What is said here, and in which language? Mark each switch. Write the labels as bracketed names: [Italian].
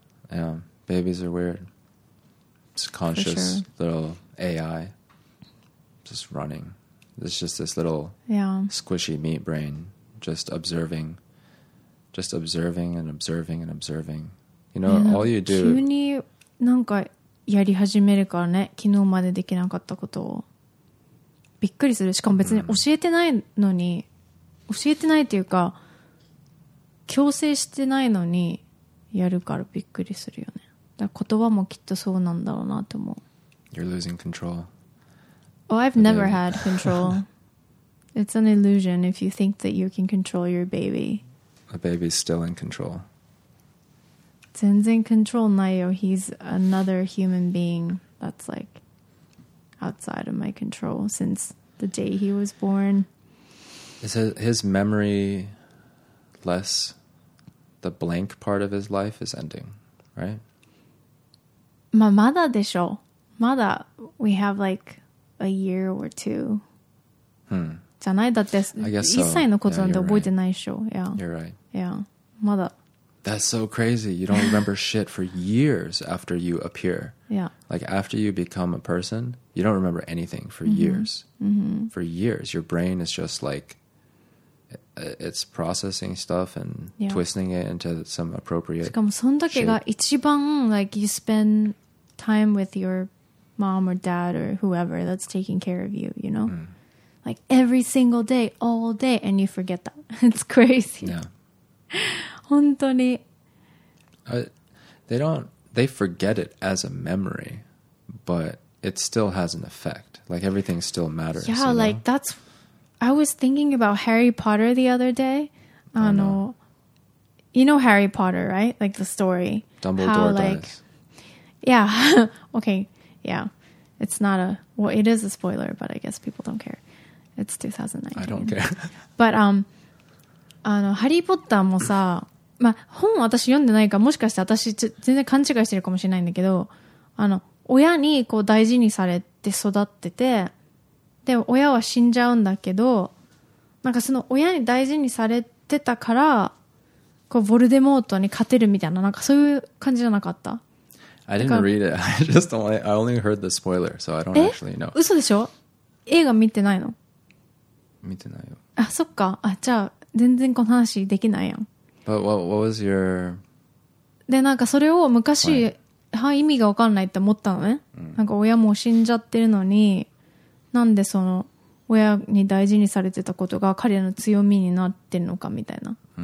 [English] yeah, babies are weird. It's conscious for sure. Little AI, just running. It's just this little squishy meat brain, just observing. You know, all you do. [Japanese] 急になんかやり始めるからね、昨日までできなかったことをびっくりする。しかも別に教えてないのに、教えてないっていうか強制してないのにやるからびっくりするよね。だから言葉もきっとそうなんだろうなと思う。 [English] You're losing control. Oh, I've never had control. It's an illusion if you think that you can control your baby. A baby's still in control. [Japanese] 全然 control ないよ。 [English] He's another human being that's like outside of my control since the day he was born. Is his memory less? The blank part of his life is ending, right? [Japanese] まあまだでしょ。まだ [English] we have like a year or two. [Japanese] じゃない？だって1歳のことなんて覚えてないでしょ。 [English] You're right. Yeah. [Japanese] まだ [English] That's so crazy. You don't remember shit for years after you appear. Yeah. Like after you become a person, you don't remember anything for years. Mm-hmm. For years. Your brain is just like, it's processing stuff and twisting it into some appropriate [Japanese] しかもそんだけが一番, [English] like you spend time with your mom or dad or whoever that's taking care of you, you know? Mm. Like every single day, all day, and you forget that. It's crazy. Yeah. [Japanese] 本当に [English] they forget it as a memory, but it still has an effect. Like everything still matters. Yeah, like know? That's I was thinking about Harry Potter the other day. You know Harry Potter, right? Like the story. Dumbledore dies. Like, yeah. Okay. Yeah. It's not a well, it is a spoiler, but I guess people don't care. It's 2019. I don't care. [Japanese] But ハリーポッターもさ、まあ、本は私読んでないからもしかして私全然勘違いしてるかもしれないんだけど、親にこう大事にされて育ってて、で、親は死んじゃうんだけど、なんかその親に大事にされてたから、こうヴォルデモートに勝てるみたいな、なんかそういう感じじゃなかった？ [English] I didn't read it. I just only, I only heard the spoiler, so I don't actually know. [Japanese] 嘘でしょ？映画見てないの？見てないよ。あ、そっか。あ、じゃあ、全然この話できないやん。 [English] But what was your... [Japanese] で、なんかそれを昔、は意味が分かんないって思ったのね。なんか親も死んじゃってるのに、なんでその親に大事にされてたことが彼の強みになってるのかみたいな。